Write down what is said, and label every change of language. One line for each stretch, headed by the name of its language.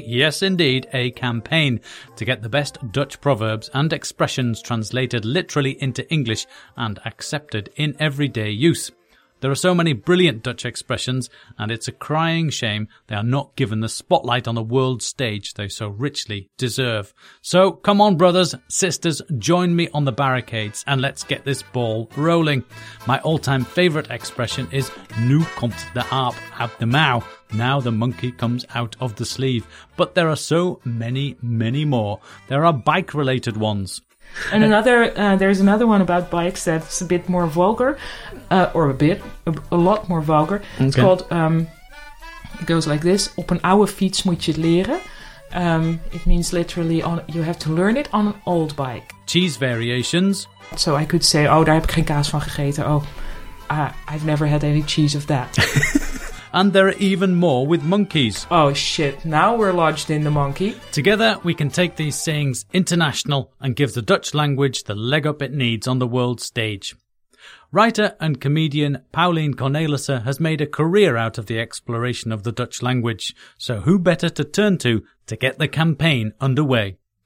English: Yes, indeed, a campaign. To get the best Dutch proverbs and expressions translated literally into English and accepted in everyday use. There are so many brilliant Dutch expressions, and it's a crying shame they are not given the spotlight on the world stage they so richly deserve. So come on, brothers, sisters, join me on the barricades, and let's get this ball rolling. My all-time favourite expression is
Dutch: Nu komt de aap uit de mouw.
English: Now the monkey comes out of the sleeve. But there are so many, many more. There are bike-related ones. And there's another one about bikes that's a bit more vulgar, a lot more vulgar. Okay. It's called, it goes like this,
Dutch: op een oude fiets moet je leren.
English: It means literally, you have to learn it on an old bike. Cheese variations. So I could say, oh,
Dutch: daar heb ik geen kaas van gegeten.
English: Oh, I've never had any cheese of that. And there are even more with monkeys. Oh shit, now we're lodged in the monkey. Together, we can take these sayings international and give the Dutch language the leg up it needs on the world stage. Writer and comedian Paulien Cornelissen has made a career out of the exploration of the Dutch language, so who better to turn to get the campaign underway?